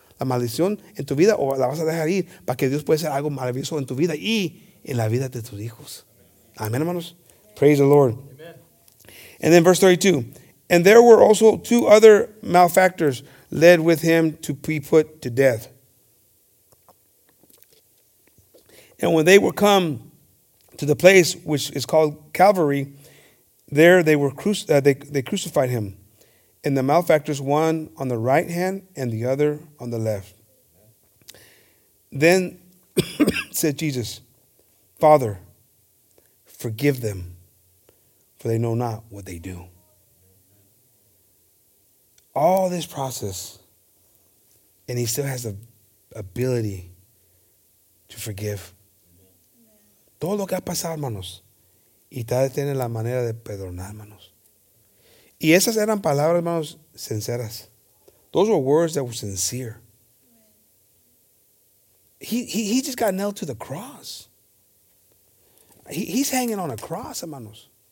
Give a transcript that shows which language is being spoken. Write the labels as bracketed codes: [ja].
[es] ¿La maldición en tu vida o la vas a dejar ir para que Dios pueda hacer algo maravilloso en tu vida y en la vida de tus hijos? Amén, hermanos. [en] Praise the Lord. Amen. And then verse 32. And there were also two other malefactors led with him to be put to death. And when they were come to the place which is called Calvary, there they were they crucified him. And the malefactors, one on the right hand and the other on the left. Then said Jesus, Father, forgive them, for they know not what they do. All this process, and he still has the ability to forgive. [es] Todo lo que ha pasado, hermanos, y todavía tiene la manera de perdonar, hermanos. Y esas eran palabras, hermanos, sinceras. [en] Those were words that were sincere. He just got nailed to the cross. He's hanging on a cross, hermanos.